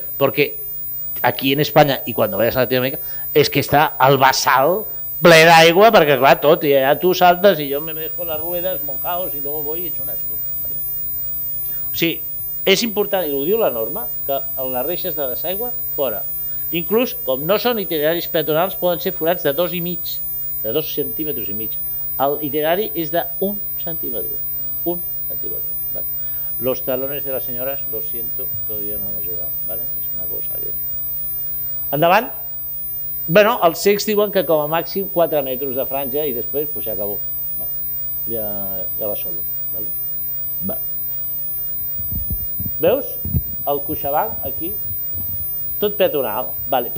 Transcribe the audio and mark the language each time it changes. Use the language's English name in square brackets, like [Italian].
[Catalan] Perquè aquí en Espanya, i quan vas a Latinoamèrica, és que està el basal ple d'aigua, perquè clar, tot, i allà tu saltes i jo [Spanish] me dejo les ruedes mojaos i luego voy y echo una escuma. [Catalan] O sigui, és important, i ho diu la norma, que les reixes de desaigua, fora. Inclús, com no són itineraris peatonals, poden ser forats de 2,5, de 2,5 centímetres. L'itinerari és d'un centímetre, un centímetre. Vale. [Spanish] Los talones de las señoras, lo siento, todavía no nos llevan, ¿vale? [Catalan] És una cosa que... Endavant. Bueno, els cecs diuen que com a màxim 4 metres de franja i després, pues, ja acabó. Vale. Ja va solo, ¿vale? Vale. Veus? El CaixaBank, aquí, tot peatonal, ¿vale?